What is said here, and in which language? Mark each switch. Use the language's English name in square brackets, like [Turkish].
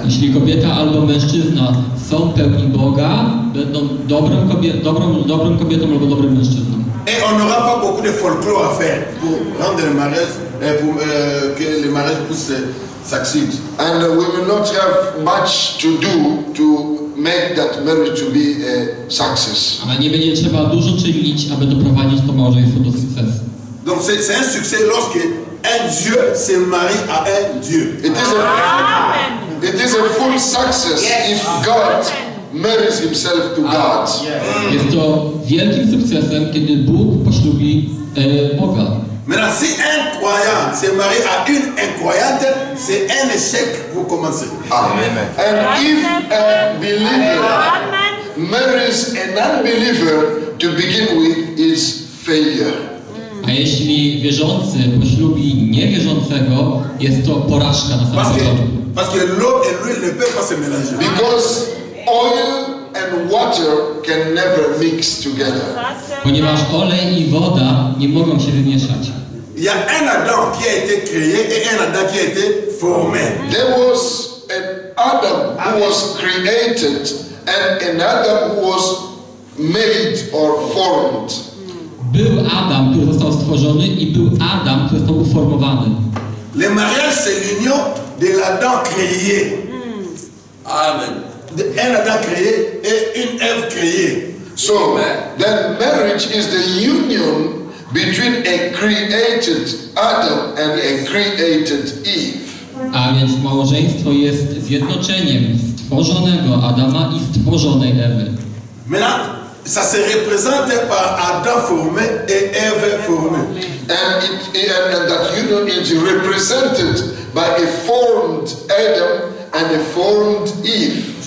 [Polish] Jeśli kobieta albo mężczyzna są pełni Boga, będą dobrą kobietą albo dobrym mężczyzną. [French] Et on n'aura pas beaucoup de folklore à faire pour rendre le mariage pour que le mariage puisse succeed. [English] And we will not have much to do to make that marriage to be a success. [Polish] Ale nie będzie trzeba dużo czynić, aby doprowadzić to małżeństwo do sukcesu. [French] Donc c'est un succès lorsque un Dieu se marie à un Dieu. [English] It is a, Amen. It is a full success, yes. If God marries himself to God. Yes. [Polish] Jest to wielkim sukcesem, kiedy Bóg poślubi Boga. [French] Maintenant, si un croyant se marie à une incroyante, c'est un échec pour commencer. Amen. [English] And if a believer marries an unbeliever to begin with, is failure. [Polish] A jeśli wierzący poślubi niewierzącego, jest to porażka na samym początku. [French] Parce que l'eau et l'huile ne peuvent pas se mélanger. [English] Because oil and water can never mix together. [Polish] Ponieważ olej i woda nie mogą się wymieszać. [French] Il y a un Adam qui a été créé et un Adam qui a été formé. [English] There was an Adam who was created and an Adam who was made or formed. [Polish] Był Adam, który został stworzony i był Adam, który został uformowany. [French] Le mariage c'est l'union de l'Adam créé. Amen. Un Adam créé et une Ève créée. [English] So, that marriage is the union between a created Adam and a created Eve. [Polish] A więc małżeństwo jest zjednoczeniem stworzonego Adama i stworzonej Ewy. [French] Maintenant, ça se représente par Adam formé et Ève formée. [English] And that union is represented by a formed Adam and a formed Eve.